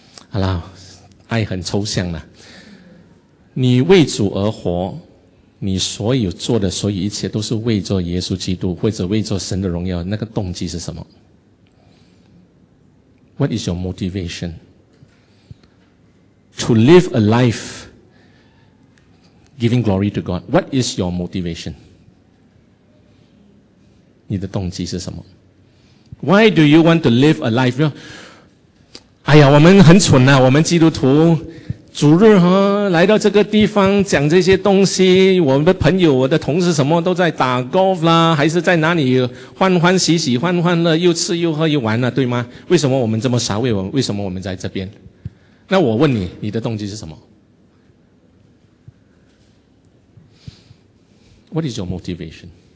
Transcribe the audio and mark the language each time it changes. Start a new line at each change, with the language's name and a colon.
Chinese: 好啦，爱很抽象啦。你为主而活，你所有做的所有一切都是为着耶稣基督或者为着神的荣耀，那个动机是什么？
English: What is your motivation to live a life giving glory to God? What is your motivation?
Chinese: 你的动机是什么？
English: Why do you want to live a life?
Chinese: 哎呀，我们很蠢啊，我们基督徒主日和来到这个地方讲这些东西，我们的朋友、我的同事什么都在打 golf 啦，还是在哪里欢欢喜喜、欢欢乐，又吃又喝又玩了，对吗？为什么我们这么傻？为什么我们在这边？那我问你，你的动机是什么 ？
English: What is your motivation？